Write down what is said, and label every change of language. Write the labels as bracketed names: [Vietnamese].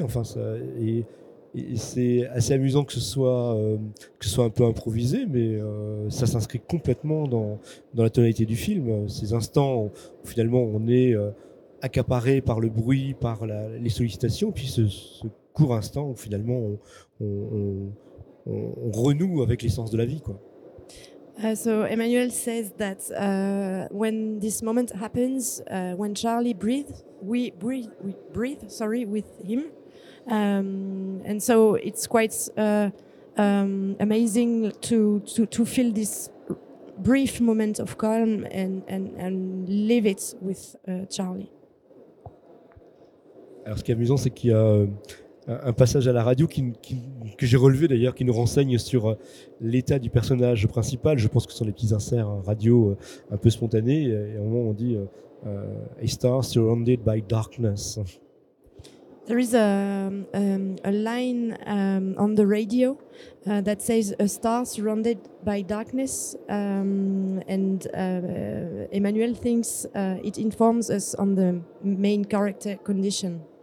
[French] Enfin, ça, et c'est assez amusant que ce soit un peu improvisé, mais ça s'inscrit complètement dans la tonalité du film. Ces instants où finalement on est accaparé par le bruit, par les sollicitations, puis ce court instant où finalement on renoue avec l'essence de la vie, quoi. [English] So Emmanuel says that when this moment happens, when Charlie breathes, we breathe with him. And so it's quite amazing to feel this brief moment of calm and live it with Charlie. [French] Alors, ce qui est amusant, c'est qu'il y a un passage à la radio que j'ai relevé d'ailleurs, qui nous renseigne sur l'état du personnage principal. Je pense que ce sont les petits inserts radio un peu spontanés. Et à un moment, on dit « [English] A star surrounded by darkness ». There is a line on the radio that says a star surrounded by darkness, and Emmanuel thinks it informs us on the main character condition.